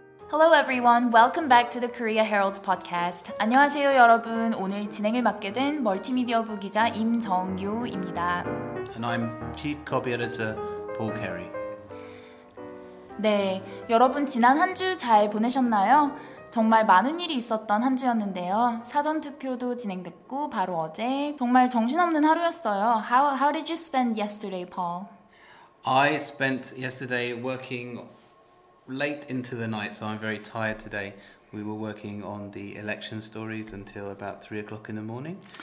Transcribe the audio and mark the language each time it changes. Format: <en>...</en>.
<en>Hello everyone, welcome back to the Korea Herald's podcast.</en> <ko>안녕하세요 여러분, 오늘 진행을 맡게 된 멀티미디어부 기자 임정유입니다.</ko> <en>And I'm chief copy editor Paul Carey.</en> <ko>네, 여러분 지난 한 주 잘 보내셨나요? 정말 많은 일이 있었던 한 주였는데요. 사전투표도 진행됐고 바로 어제 정말 정신없는 하루였어요.</ko> <en>How did you spend yesterday, Paul? I spent yesterday working late into the night, so I'm very tired today. We were working on the election stories until about 3 o'clock in the morning.</en>